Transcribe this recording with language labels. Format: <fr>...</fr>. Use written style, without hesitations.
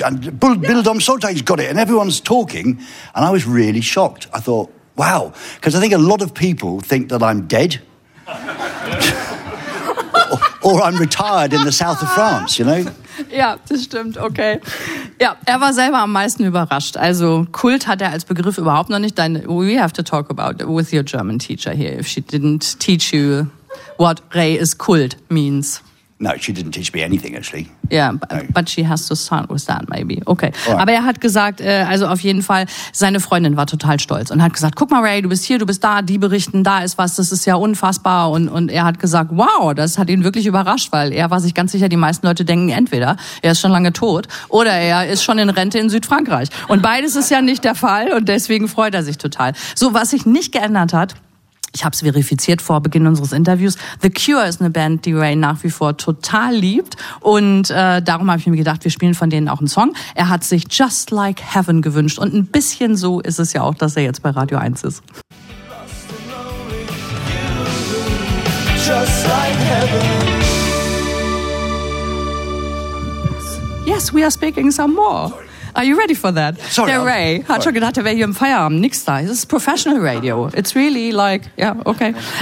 <en>And Bildom Sonntag's got it and everyone's talking. And I was really shocked. I thought... Wow, because I think a lot of people think that I'm dead or I'm retired in the south of France, you know?</en> <de>Ja, das stimmt, okay. Ja, er war selber am meisten überrascht. Also Kult hat er als Begriff überhaupt noch nicht.</de> <en>We have to talk about it with your German teacher here, if she didn't teach you what re is Kult means. No, she didn't teach me anything, actually. Yeah, but she has to start with that, maybe. Okay. Right.</en> <de>Aber er hat gesagt, also auf jeden Fall, seine Freundin war total stolz und hat gesagt, guck mal, Ray, du bist hier, du bist da, die berichten, da ist was, das ist ja unfassbar. Und er hat gesagt, wow, das hat ihn wirklich überrascht, weil er war sich ganz sicher, die meisten Leute denken, entweder er ist schon lange tot oder er ist schon in Rente in Südfrankreich. Und beides ist ja nicht der Fall und deswegen freut er sich total. So, was sich nicht geändert hat, ich habe es verifiziert vor Beginn unseres Interviews. The Cure ist eine Band, die Ray nach wie vor total liebt. Und darum habe ich mir gedacht, wir spielen von denen auch einen Song. Er hat sich Just Like Heaven gewünscht. Und ein bisschen so ist es ja auch, dass er jetzt bei Radio 1 ist.</de> <en>Just like heaven. Yes, we are speaking some more. Are you ready for that? Sorry.</en> <de>Der Ray hat schon gedacht, er wäre hier im Feierabend. Nix da.</de> <en>This is professional radio. It's really like, yeah, okay.</en>